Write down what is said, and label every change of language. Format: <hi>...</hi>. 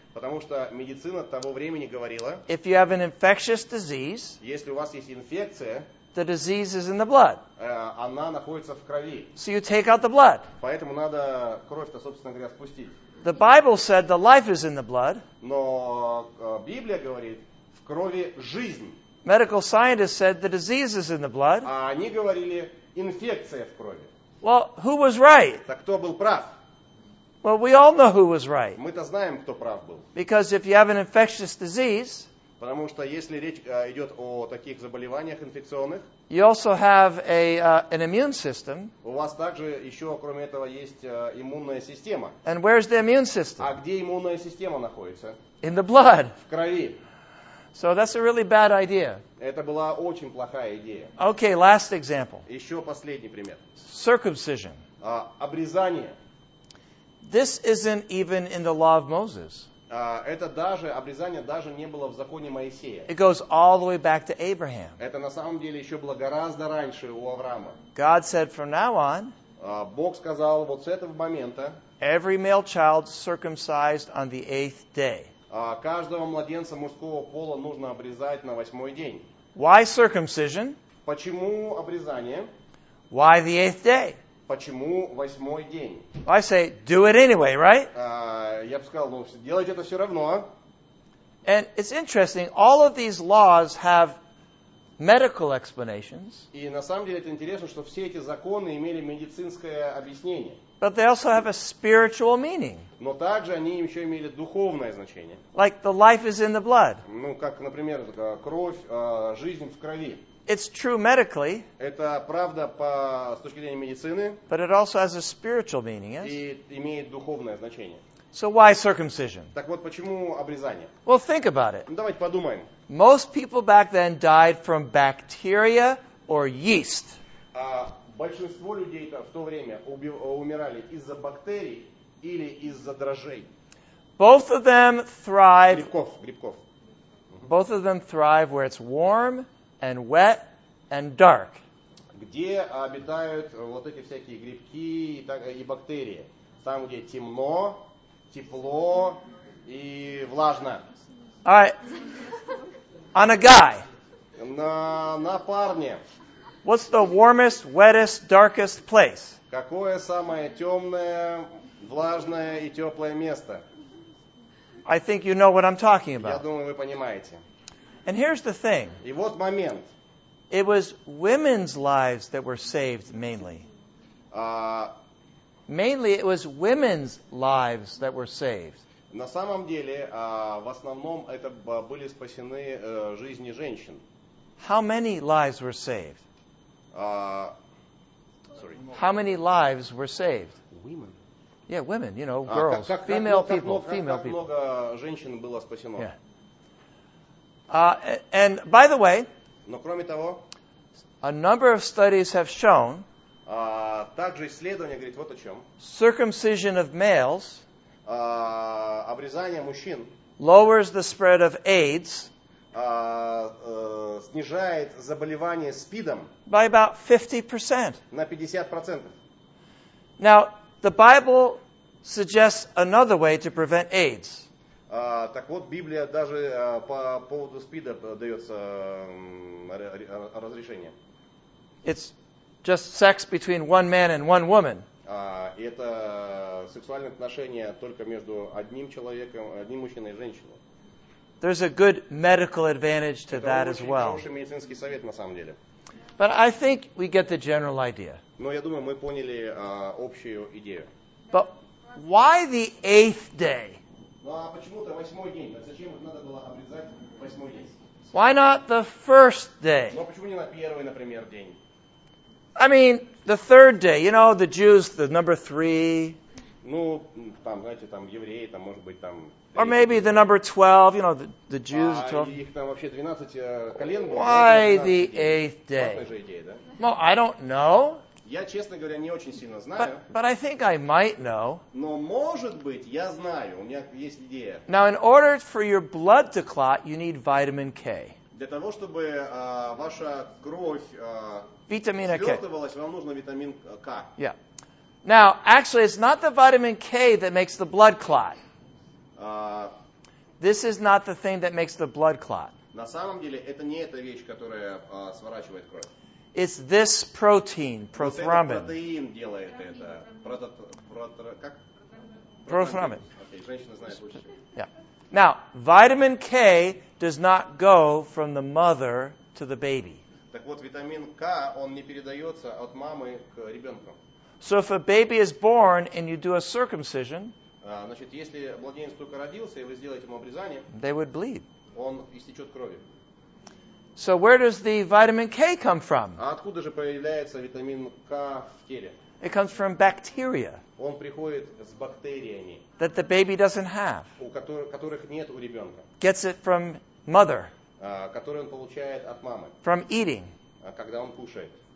<ru>потому что медицина того времени говорила,</ru> <en>if you have an infectious disease,</en> <ru>если у вас есть инфекция,</ru> <en>the disease is in the blood.</en> <ru>Она находится в крови.</ru> <en>So you take out the blood.</en> <ru>Поэтому надо кровь-то, собственно говоря, спустить.</ru> <en>The Bible said the life is in the blood.</en> <ru>Но Библия говорит, в крови жизнь.</ru> <en>Medical scientists said the disease is in the blood.</en> <ru>А они говорили, инфекция в крови.</ru> <en>Well, who was right?</en> <ru>Так кто был прав?</ru> <en>Well, we all know who was right.</en> <ru>Мы-то знаем, кто прав был.</ru> <en>Because if you have an infectious disease,</en> <ru>потому что если речь идет о таких заболеваниях инфекционных,</ru> <en>you also have an immune system.</en> <ru>У вас также еще, кроме этого, есть иммунная система.</ru> <en>And where's the immune system?</en> <ru>А где иммунная система находится?</ru> <en>In the blood.</en> <ru>В крови.</ru> <en>So that's a really bad idea.</en> <ru>Это была очень плохая идея.</ru> <en>Okay, last example.</en> <ru>Еще последний пример.</ru> <en>Circumcision.</en> <ru>Обрезание.</ru> <en>This isn't even in the law of Moses.</en> <ru>Это даже, обрезание даже не было в законе Моисея.</ru> <en>It goes all the way back to Abraham.</en> <ru>Это на самом деле еще было гораздо раньше у Авраама.</ru> <en>God said from now on,</en> <ru>Бог сказал вот с этого момента,</ru> <en>every male child circumcised on the eighth day.</en> <ru>Каждого младенца мужского пола нужно обрезать на восьмой день.</ru> <en>Why circumcision?</en> <ru>Почему обрезание?</ru> <en>Why the eighth day?</en> <ru>Почему восьмой день?</ru> <en>I say, do it anyway, right?</en> <ru>Я бы сказал, ну, делать это все равно.</ru> <en>And it's interesting, all of these laws have medical explanations.</en> <ru>И на самом деле это интересно, что все эти законы имели медицинское объяснение.</ru> <en>But they also have a spiritual meaning.</en> <ru>Но также они еще имели духовное значение.</ru> <en>Like the life is in the blood.</en> <ru>Ну, как, например, кровь, жизнь в крови.</ru> <en>It's true medically.</en> <ru>Это правда по с точки зрения медицины.</ru> <en>But it also has a spiritual meaning, yes?</en> <ru>И имеет духовное значение.</ru> <en>So why circumcision?</en> <ru>Так вот почему обрезание?</ru> <en>Well, think about it.</en> <ru>Ну, давайте подумаем.</ru> <en>Most people back then died from bacteria or yeast.</en> <ru>Большинство людей в то время умирали из-за бактерий или из-за дрожжей.</ru> <en>Both of them thrive.</en> <ru>Грибков.</ru> <en>Both of them thrive where it's warm and wet and dark.</en> <ru>Где обитают вот эти всякие грибки и бактерии? Там, где темно, тепло и влажно.</ru> <en>All right. On a guy.</en> <ru>На парне.</ru> <en>What's the warmest, wettest, darkest place?</en> <ru>Какое самое темное, влажное и теплое место?</ru> <en>I think you know what I'm talking about.</en> <ru>Я думаю, вы понимаете.</ru> <en>And here's the thing.</en> <ru>И вот момент.</ru> <en>It was women's lives that were saved mainly. Mainly it was women's lives that were saved. На самом деле, в основном это были спасены жизни женщин. How many lives were saved? How many lives were saved? Women. Yeah, women, you know, girls, female people, female people.</en> <ru>Как много женщин было спасено?</ru> <en>Yeah. And by the way,</en> <ru>но кроме того,</ru> <en>a number of studies have shown,</en> <ru>также исследования говорят вот о чем,</ru> <en>circumcision of males,</en> <ru>обрезание мужчин,</ru> <en>lowers the spread of AIDS,</en> <ru>снижает заболевание СПИДом,</ru> <en>by about 50%.</en> <ru>На 50%.</ru> <en>Now, the Bible suggests another way to prevent AIDS.</en> <ru>Так вот, Библия даже по поводу СПИДа дается разрешение.</ru> <en>It's just sex between one man and one woman.</en> <ru>Это сексуальные отношения только между одним человеком, одним мужчиной и женщиной.</ru> <en>There's a good medical advantage to that as well.</en> <ru>Это хороший медицинский совет на самом деле.</ru> <en>But I think we get the general idea.</en> <ru>Но я думаю, мы поняли общую идею.</ru> <en>But why the eighth day?</en> <ru>Ну а почему-то восьмой день? Так зачем их надо было обрезать восьмой день?</ru> <en>Why not the first day?</en> <ru>Ну почему не на первый, например, день?</ru> <en>I mean, the third day, you know, the Jews, the number three.</en> <ru>Ну, там, знаете, там евреи, там, может быть, там.</ru> <en>Or maybe the number 12, you know, the Jews.</en> <ru>А их там вообще 12 колен.</ru> <en>Why the eighth day? Well, I don't know.</en> <ru>Я, честно говоря, не очень сильно знаю.</ru> <en>But I think I might know.</en> <ru>Но, может быть, я знаю, у меня есть идея.</ru> <en>Now, in order for your blood to clot, you need vitamin K.</en> <ru>Для того, чтобы ваша кровь свертывалась, вам нужно витамин К.</ru> <en>Yeah. Now, actually, it's not the vitamin K that makes the blood clot. This is not the thing that makes the blood clot.</en> <ru>На самом деле, это не эта вещь, которая сворачивает кровь.</ru> <en>It's this protein, prothrombin.</en> <ru>Вот этот протеин делает это. Как?</ru> <en>Prothrombin.</en> <ru>Okay, женщина знает лучше.</ru> <en>Yeah. Now, vitamin K does not go from the mother to the baby.</en> <ru>Так вот, витамин К, он не передается от мамы к ребенку. So if a baby is born and you do a circumcision, значит, если младенец только родился, и вы сделаете ему обрезание, they would bleed. Он истечет кровью. So where does the vitamin K come from? А откуда же появляется витамин К в теле? It comes from bacteria. Он приходит с бактериями. That the baby doesn't have. У которых нет у ребенка. Gets it from mother. Который он получает от мамы. From eating. Когда он кушает.</ru>